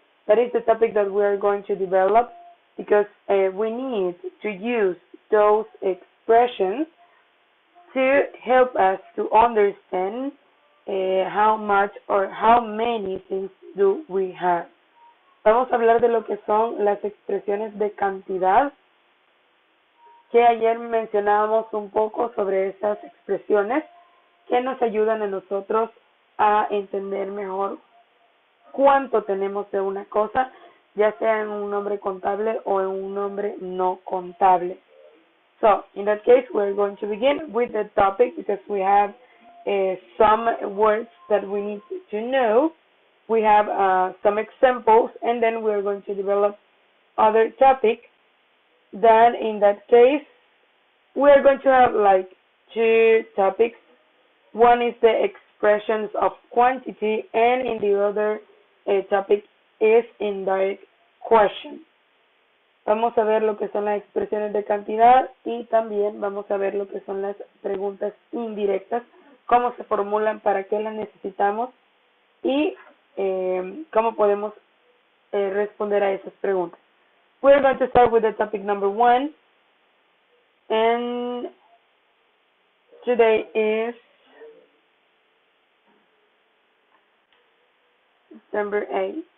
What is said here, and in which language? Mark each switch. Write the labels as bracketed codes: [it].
[en] That is the topic that we are going to develop, because we need to use those expressions to help us to understand how much or how many things do we have. [es] Vamos a hablar de lo que son las expresiones de cantidad, que ayer mencionábamos un poco sobre esas expresiones que nos ayudan a nosotros a entender mejor cuánto tenemos de una cosa, ya sea en un nombre contable o en un nombre no contable. [en] So, in that case, we're going to begin with the topic because we have some words that we need to know. We have some examples, and then we're going to develop other topic. Then, in that case, we're going to have like two topics. One is the expressions of quantity, and in the other topic is indirect question. [es] Vamos a ver lo que son las expresiones de cantidad y también vamos a ver lo que son las preguntas indirectas, cómo se formulan, para qué las necesitamos y cómo podemos responder a esas preguntas. [en] We're going to start with the topic number 1, and today is number 8.